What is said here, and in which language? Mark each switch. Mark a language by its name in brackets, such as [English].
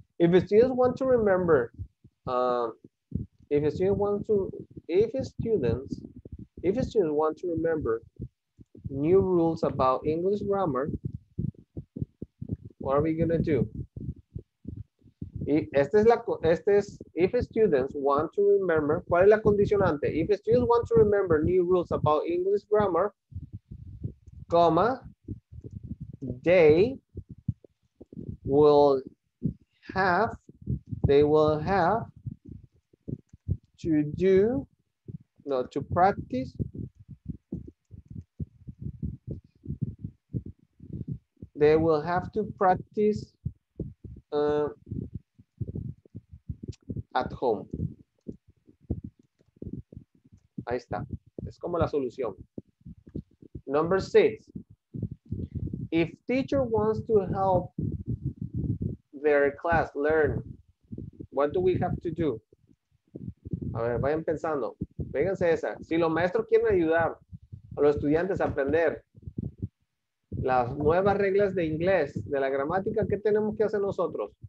[English] If a student want to remember, if a student want to remember new rules about English grammar, what are we gonna do? [Spanish] Esta es la, este es, [English] if students want to remember, [Spanish] ¿cuál es la condicionante? [English] If students want to remember new rules about English grammar, comma, they will have to do, no, to practice, they will have to practice at home. [Spanish] Ahí está. Es como la solución. [English] Number six. If teacher wants to help their class learn, what do we have to do? [Spanish] A ver, vayan pensando. Fíjense esa. Si los maestros quieren ayudar a los estudiantes a aprender las nuevas reglas de inglés, de la gramática, ¿qué tenemos que hacer nosotros?